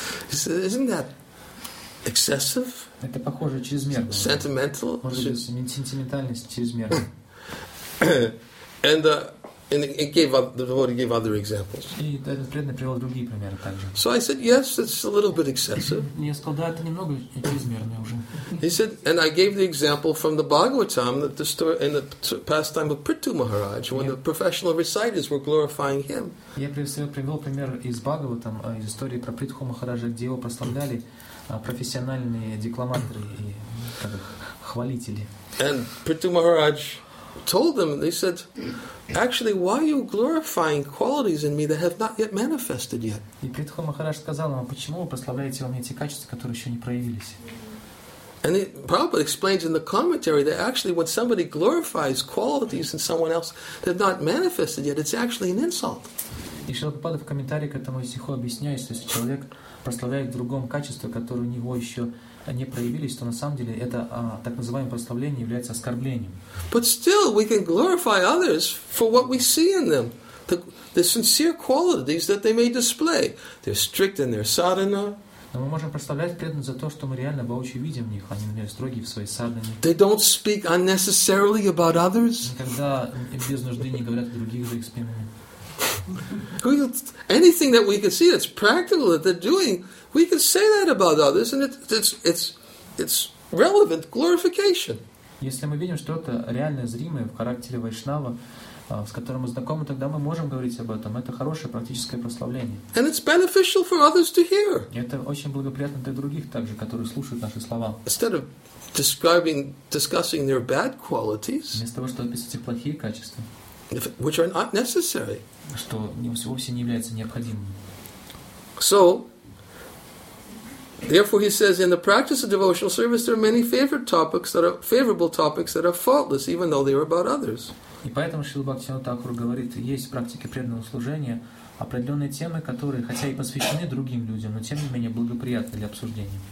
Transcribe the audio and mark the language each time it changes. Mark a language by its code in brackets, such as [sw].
[en] He said, isn't that excessive? [ru] Это похоже чрезмерно. [en] Sentimental? [ru] Сентиментальность чрезмерно. [en] And it gave other examples. [ru] И этот преданный привел другие примеры также. [en] So I said, yes, it's a little bit excessive. [ru] Я сказал, да, это немного чрезмерно уже. [en] He said, and I gave the example from the Bhagavatam that the story in the pastime of Prithu Maharaj, when the professional reciters were glorifying him. [ru] Я привел пример из Бхагаватам, из истории про Притху Махараджа, где его прославляли профессиональные декламаторы и хвалители. [en] And Prithu Maharaj told them, they said, actually, why are you glorifying qualities in me that have not yet manifested yet? [ru] И Притху Махарадж сказал ему, почему вы прославляете во мне те качества, которые еще не проявились? [en] And Prabhupada explains in the commentary that actually when somebody glorifies qualities in someone else that have not manifested yet, it's actually an insult. [ru] И Шрила Прабхупада в комментарии к этому стиху объясняет, что если человек прославляет в другом качества, которые у него еще не проявились, то на самом деле это так называемое прославление является оскорблением. [en] But still, we can glorify others for what we see in them, the sincere qualities that they may display. They're strict in their sadhana. [ru] Но мы можем прославлять преданных за то, что мы реально воочию видим в них, они, например, строгие в своей садхане. [en] They don't speak unnecessarily about others. [ru] Никогда без нужды не говорят о других за их спинами. [en] Anything that we can see that's practical that they're doing, we can say that about others, and it's relevant glorification. [ru] Если мы видим что-то реальное, зримое в характере вайшнава, с которым мы знакомы, тогда мы можем говорить об этом. Это хорошее практическое прославление. [en] And it's beneficial for others to hear. [ru] Это очень благоприятно для других также, которые слушают наши слова. [en] Instead of discussing their bad qualities, [ru] вместо того, чтобы описывать их плохие качества, [en] which are not necessary, [ru] что вовсе не является необходимым. [en] So, therefore, he says, in the practice of devotional service, there are many favorable topics that are faultless, even though they are about others. [ru] И поэтому Шрила Бхактисиддханта Тхакура говорит, есть в практике преданного служения определенные темы, которые, хотя и посвящены другим людям, но тем не менее благоприятны для обсуждения.